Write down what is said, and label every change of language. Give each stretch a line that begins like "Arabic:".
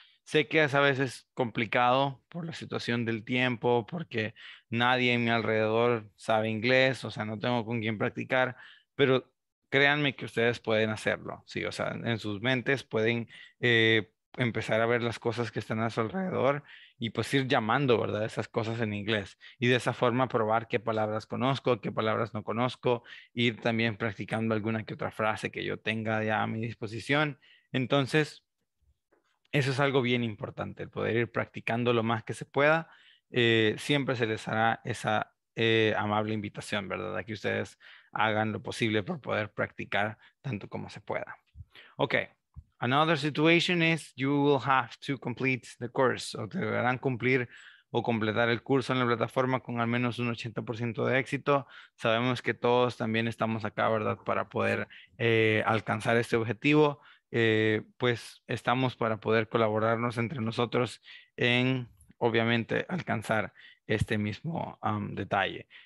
Spanish: Sé que es a veces complicado por la situación del tiempo, porque nadie en mi alrededor sabe inglés, o sea, no tengo con quién practicar, pero créanme que ustedes pueden hacerlo, sí, o sea, en sus mentes pueden empezar a ver las cosas que están a su alrededor y pues ir llamando, ¿verdad?, esas cosas en inglés y de esa forma probar qué palabras conozco, qué palabras no conozco, ir también practicando alguna que otra frase que yo tenga ya a mi disposición. Entonces, eso es algo bien importante, el poder ir practicando lo más que se pueda. Siempre se les hará esa amable invitación, ¿verdad?, a que ustedes hagan lo posible por poder practicar tanto como se pueda. Okay.
English: Another situation is you will have to complete the course.
Spanish: O deberán cumplir o completar el curso en la plataforma con al menos un 80% de éxito. Sabemos que todos también estamos acá, ¿verdad?, para poder alcanzar este objetivo. Pues estamos para poder colaborarnos entre nosotros en, obviamente, alcanzar este mismo detalle.